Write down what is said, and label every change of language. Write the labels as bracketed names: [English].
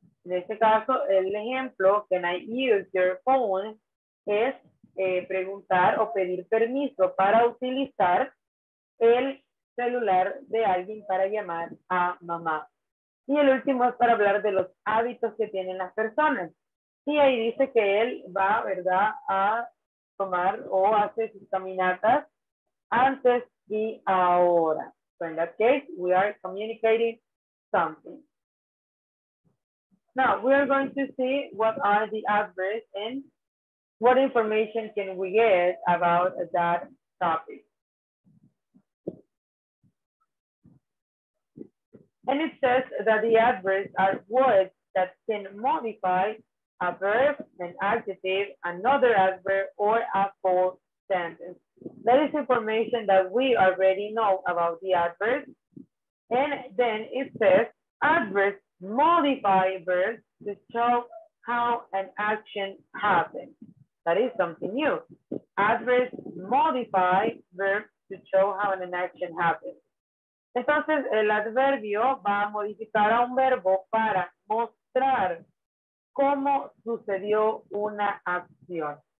[Spanish] En este caso, el ejemplo, [English] can I use your phone, [Spanish] es preguntar o pedir permiso para utilizar el celular de alguien para llamar a mamá. Y el último es para hablar de los hábitos que tienen las personas. Y ahí dice que él va, ¿verdad?, a tomar o hace sus caminatas antes y ahora. [English] So in that case, we are communicating something. Now, we are going to see what are the adverbs and what information can we get about that topic. And it says that the adverbs are words that can modify a verb, an adjective, another adverb, or a full sentence. That is information that we already know about the adverbs. And then it says, adverbs modify verbs to show how an action happens. That is something new. Adverbs modify verbs to show how an action happens. [Spanish] Entonces, el adverbio va a modificar a un verbo para mostrar cómo sucedió una acción.